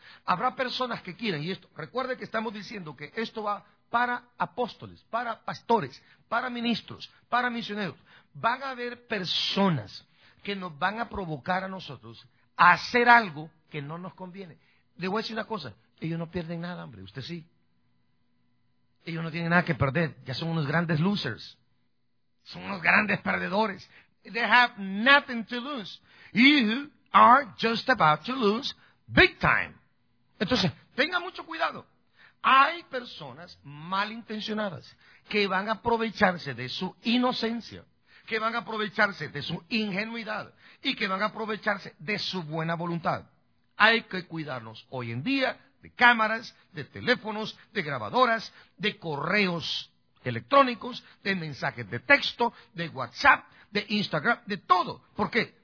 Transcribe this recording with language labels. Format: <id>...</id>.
<es>Habrá personas que quieran, y esto, recuerde que estamos diciendo que esto va para apóstoles, para pastores, para ministros, para misioneros. Van a haber personas que nos van a provocar a nosotros a hacer algo que no nos conviene. Le voy a decir una cosa, ellos no pierden nada, hombre, usted sí. Ellos no tienen nada que perder, ya son unos grandes losers. Son unos grandes perdedores.</es> <en>They have nothing to lose. You are just about to lose big time.</en> <es>Entonces, tenga mucho cuidado. Hay personas malintencionadas que van a aprovecharse de su inocencia, que van a aprovecharse de su ingenuidad y que van a aprovecharse de su buena voluntad. Hay que cuidarnos hoy en día de cámaras, de teléfonos, de grabadoras, de correos electrónicos, de mensajes de texto, de WhatsApp, de Instagram, de todo. ¿Por qué?</es>